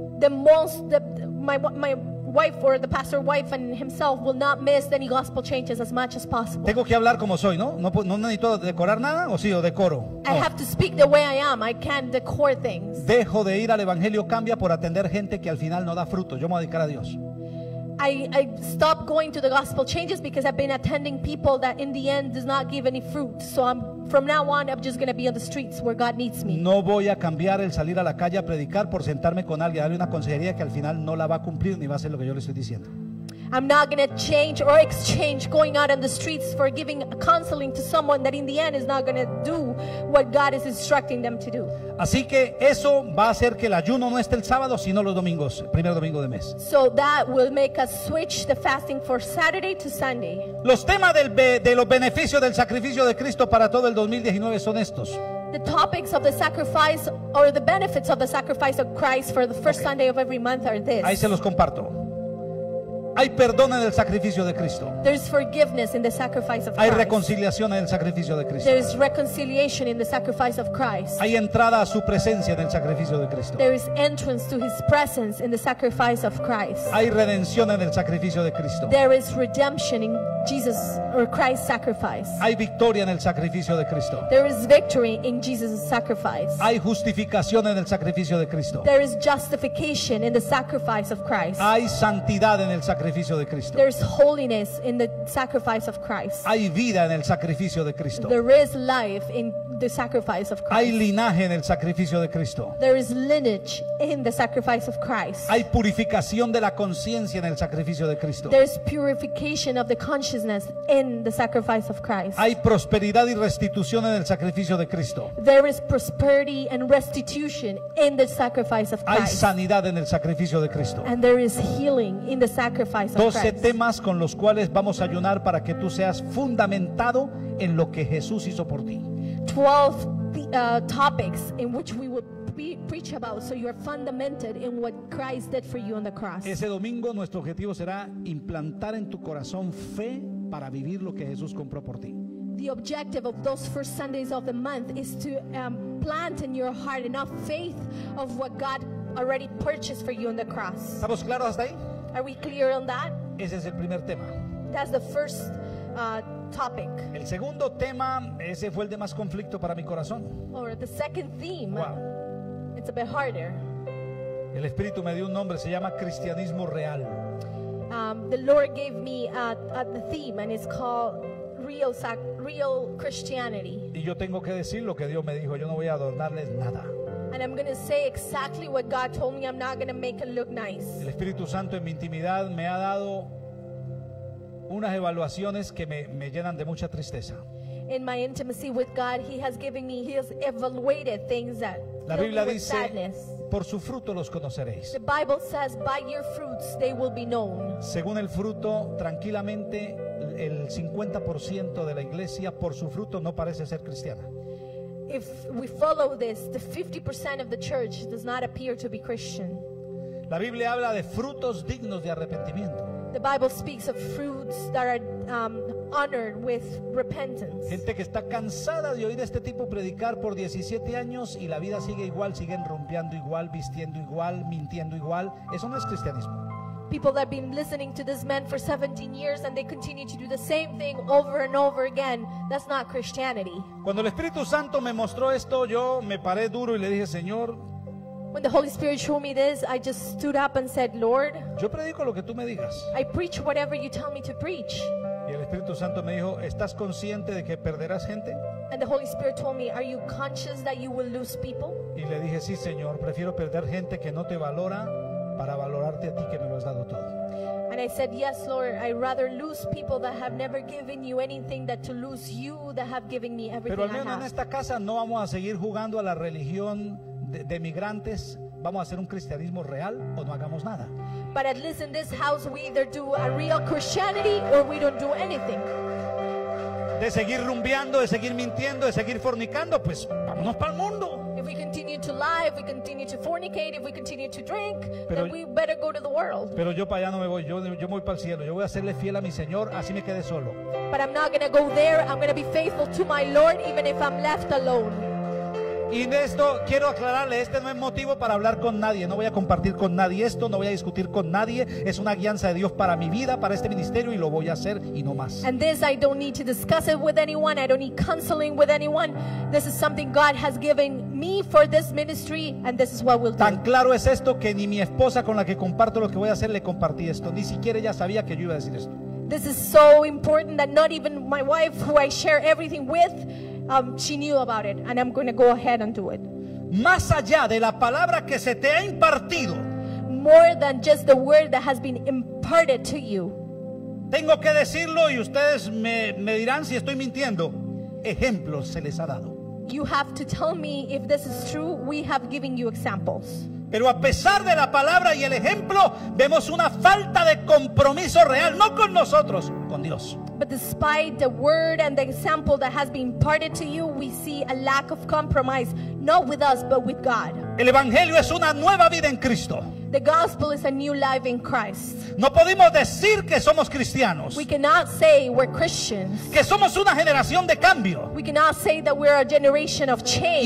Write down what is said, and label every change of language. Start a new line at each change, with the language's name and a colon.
English: The most, my wife or the pastor wife and himself will not miss any gospel changes as much as possible.
Spanish: Tengo que hablar como soy, ¿no? No necesito decorar nada, o sí, o decoro.
English: I have to speak the way I am. I can't decor things.
Spanish: Dejo de ir al evangelio cambia por atender gente que al final no da fruto. Yo me voy a dedicar a Dios.
English: I stop going to the gospel changes because I've been attending people that in the end does not give any fruit. So I'm from now on I'm just going to be on the streets where God needs me.
Spanish: No voy a cambiar el salir a la calle a predicar por sentarme con alguien, darle una consejería que al final no la va a cumplir ni va a hacer lo que yo le estoy diciendo.
English: I'm not going to change or exchange going out on the streets for giving counseling to someone that in the end is not going to do what God is instructing them to do.
Spanish: Así que eso va a hacer que el ayuno no esté el sábado sino los domingos, el primer domingo de mes.
English: So that will make us switch the fasting for Saturday to Sunday.
Spanish: Los temas de los beneficios del sacrificio de Cristo para todo el 2019 son estos.
English: The topics of the sacrifice or the benefits of the sacrifice of Christ for the first Sunday of every month are this.
Spanish: Ahí se los comparto. Hay perdón en el sacrificio de Cristo.
English: There's forgiveness in the sacrifice of Christ.
Spanish: Hay reconciliación en el sacrificio de Cristo.
English: There's reconciliation in the sacrifice of Christ.
Spanish: Hay entrada a su presencia en el sacrificio de Cristo.
English: There is entrance to his presence in the sacrifice of Christ.
Spanish: Hay redención en el sacrificio de Cristo.
English: There is redemption in Jesus or Christ's sacrifice.
Spanish: Hay victoria en el sacrificio de Cristo.
English: There is victory in Jesus' sacrifice.
Spanish: Hay justificación en el sacrificio de Cristo.
English: There is justification in the sacrifice of Christ.
Spanish: Hay santidad en el sacrificio de Cristo.
English: There is holiness in the sacrifice of Christ.
Spanish: Hay vida en el sacrificio de Cristo.
English: There is life in the sacrifice of Christ.
Spanish: Hay linaje en el sacrificio de Cristo.
English: There is lineage in the sacrifice of Christ.
Spanish: Hay purificación de la conciencia en el sacrificio de Cristo.
English: There is purification of the consciousness in the sacrifice of Christ.
Spanish: Hay prosperidad y restitución en el sacrificio de Cristo.
English: There is prosperity and restitution in the sacrifice of Christ.
Spanish: Hay sanidad en el sacrificio de Cristo.
English: And there is healing in the sacrifice of 12 Christ.
Spanish: Temas con los cuales vamos a ayunar para que tú seas fundamentado en lo que Jesús hizo por ti.
English: 12 topics in which we would preach about so you are fundamented in what Christ did for you on the cross.
Spanish: Ese domingo nuestro objetivo será implantar en tu corazón fe para vivir lo que Jesús compró por ti.
English: The objective of those first Sundays of the month is to plant in your heart enough faith of what God already purchased for you on the cross.
Spanish: ¿Estamos claros hasta ahí?
English: Are we clear on that?
Spanish: Ese es el primer tema.
English: That's the first topic.
Spanish: El segundo tema, ese fue el de más conflicto para mi corazón.
English: Or the second theme. Wow. It's a bit harder.
Spanish: El Espíritu me dio un nombre, se llama cristianismo real.
English: The Lord gave me a theme and it's called real Christianity.
Spanish: Y yo tengo que decir lo que Dios me dijo, yo no voy a adornarles nada.
English: And I'm going to say exactly what God told me. I'm not going to make it look nice.
Spanish: El Espíritu Santo en mi intimidad me ha dado unas evaluaciones que me llenan de mucha tristeza.
English: In my intimacy with God, he has given me, he has evaluated things that
Spanish: la Biblia
English: fill me with
Spanish: dice,
English: sadness.
Spanish: Por su fruto los conoceréis.
English: The Bible says, by your fruits they will be known.
Spanish: Según el fruto, tranquilamente, el 50% de la iglesia por su fruto no parece ser cristiana.
English: If we follow this, the 50% of the church does not appear to be Christian.
Spanish: La Biblia habla de frutos dignos de arrepentimiento.
English: The Bible speaks of fruits that are honored with repentance.
Spanish: Gente que está cansada de oír a este tipo predicar por 17 años y la vida sigue igual, siguen rompiendo igual, vistiendo igual, mintiendo igual. Eso no es cristianismo.
English: People that have been listening to this man for 17 years and they continue to do the same thing over and over again, that's not Christianity.
Spanish: Cuando el Espíritu Santo me mostró esto, yo me paré duro y le dije, Señor.
English: When the Holy Spirit showed me this, I just stood up and said, Lord.
Spanish: Yo predico lo que tú me digas.
English: I preach whatever you tell me to preach.
Spanish: Y el Espíritu Santo me dijo, ¿estás consciente de que perderás gente?
English: And the Holy Spirit told me, are you conscious that you will lose people?
Spanish: Y le dije, sí, Señor, prefiero perder gente que no te valora para valorarte a ti que me lo has dado todo.
English: And I said, yes, Lord, I'd rather lose people that have never given you anything than to lose you that have given me everything.
Spanish: Pero al menos en esta casa no vamos a seguir jugando a la religión de migrantes. Vamos a hacer un cristianismo real o no hagamos nada.
English: But at least in this house we either do a real Christianity or we don't do anything.
Spanish: De seguir rumbeando, de seguir mintiendo, de seguir fornicando, pues vámonos para el mundo.
English: If we continue to lie, if we continue to fornicate, if we continue to drink, pero, then we better go to the world.
Spanish: Pero yo para allá no me voy, yo voy para el cielo. Yo voy a serle fiel a mi Señor, así me quede solo.
English: But I'm not going to go there. I'm going to be faithful to my Lord even if I'm left alone.
Spanish: Y de esto quiero aclararle, este no es motivo para hablar con nadie, no voy a compartir con nadie esto, no voy a discutir con nadie, es una guianza de Dios para mi vida, para este ministerio, y lo voy a hacer y no más.
English: And this I don't need to discuss it with anyone, I don't need counseling with anyone. This is something God has given me for this ministry and this is what we'll do.
Spanish: Tan claro es esto que ni mi esposa con la que comparto lo que voy a hacer le compartí esto, ni siquiera ella sabía que yo iba a decir esto.
English: This is so important that not even my wife, who I share everything with, she knew about it, and I'm going to go ahead and do it.
Spanish: Más allá de la palabra que se te ha impartido,
English: more than just the word that has been imparted to you,
Spanish: tengo que decirlo y ustedes me dirán si estoy mintiendo. Ejemplos se les ha dado.
English: You have to tell me if this is true. We have given you examples.
Spanish: Pero a pesar de la palabra y el ejemplo, vemos una falta de compromiso real, no con nosotros, con Dios.
English: But despite the word and the example that has been imparted to you, we see a lack of compromise, not with us, but with God.
Spanish: El evangelio es una nueva vida en Cristo.
English: The gospel is a new life in Christ.
Spanish: No podemos decir que somos cristianos.
English: We cannot say we're Christians.
Spanish: Que somos una generación de cambio.
English: We cannot say that we're a generation of change.